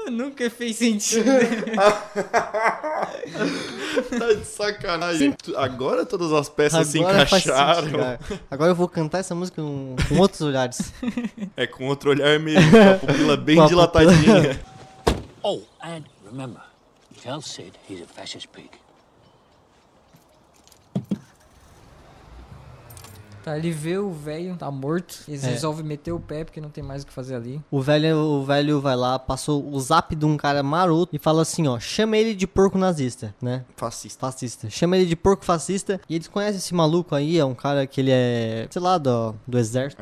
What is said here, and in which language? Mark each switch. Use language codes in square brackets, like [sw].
[pt] Nunca fez sentido. Tá de sacanagem. Sim. Agora todas as peças agora se encaixaram. Faz sentido, cara. Agora eu vou cantar essa música com outros olhares. É com outro olhar mesmo, com a pupila bem dilatadinha. [en] Oh, and remember, Tell Sid he's a fascist pig. [pt] Tá, ele vê o velho, tá morto. Eles resolvem meter o pé porque não tem mais o que fazer ali. O velho vai lá, passou o zap de um cara maroto e fala assim, ó, chama ele de porco nazista, né? Fascista. Chama ele de porco fascista. E eles conhecem esse maluco aí, é um cara que ele é, sei lá, do exército.